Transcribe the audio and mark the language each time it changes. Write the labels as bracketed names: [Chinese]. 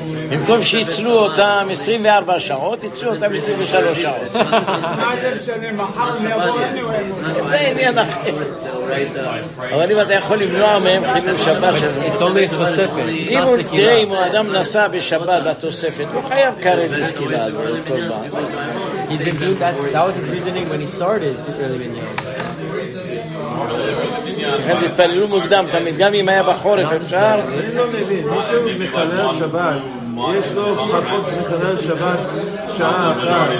[Hebrew] במקום שיצלו אותם 24 שעות, יצלו אותם 23 שעות. מה אתם שאני מחר מיבואים? זה עניין אחר. אבל אם אתה יכול למנוע מהם חילול שבת, יצאו מתוספת. אם הוא תראה, אם הוא אדם נסע בשבת בתוספת, הוא חייב קרד לסקילה כל פעם. [English] He's been doing that. That was his reasoning when he started early in the year. [Hebrew] לכן תתפללו מוקדם תמיד, גם אם היה בחורף אפשר. אני לא מבין, מישהו מחלל שבת, יש לו פחות מחלל שבת שעה אחת.